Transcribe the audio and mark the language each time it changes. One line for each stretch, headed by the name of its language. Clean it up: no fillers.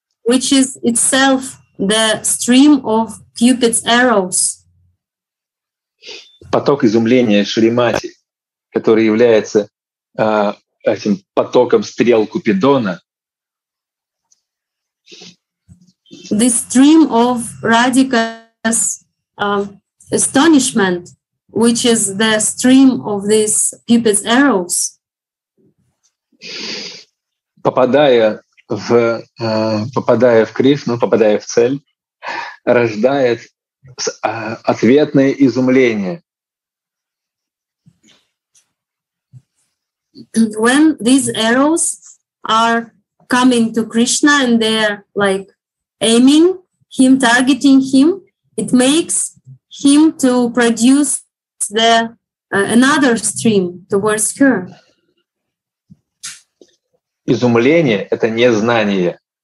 English: which is itself the stream of Cupid's arrows.
Russian: Поток изумления Шримати, который является этим потоком стрел Купидона.
English: The stream of Radhika's astonishment, which is the stream of these Cupid's arrows.
Russian: Попадая в Кришну, попадая в цель, рождает ответное изумление.
English: When these arrows are coming to Krishna and they're like aiming him, targeting him, it makes him to produce the another stream towards her.
Russian: Изумление — это незнание.